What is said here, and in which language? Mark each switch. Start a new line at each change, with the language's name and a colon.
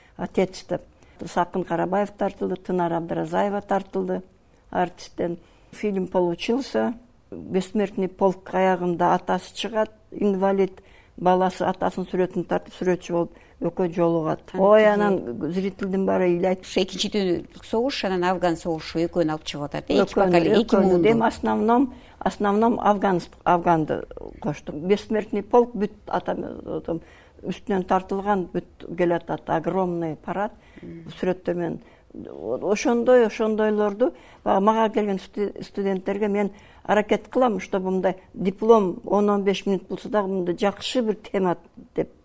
Kyrgyz: Отец деп. Сакын Карабаев тартылды, Тынар Абдыразаева тартылды артисттен.
Russian: Фильм получился.
Kyrgyz: Бессмертный полк аягында атасы чыгат, инвалид. Баласы атасын сүрөтүн тартып сүрөтчү болуп өкөт жолугат. Ой, анан зрительдин баары эле айтышы. Экинчи дүйнөлүк согуш анан афган согушу экөөнү алып чыгып атат. Эки бакали, эки муунду. Эми основном афганды коштум. Бессмертный полк бүт атам үстүнөн тартылган бүт келатат.
Russian: Огромный парад
Kyrgyz: сүрөттөр менен. Ошондойлорду мага келген студенттерге мен аракет кылам,
Russian: чтобы
Kyrgyz: мындай диплом 10-15 мүнөт болсо дагы мындай жакшы бир тема деп.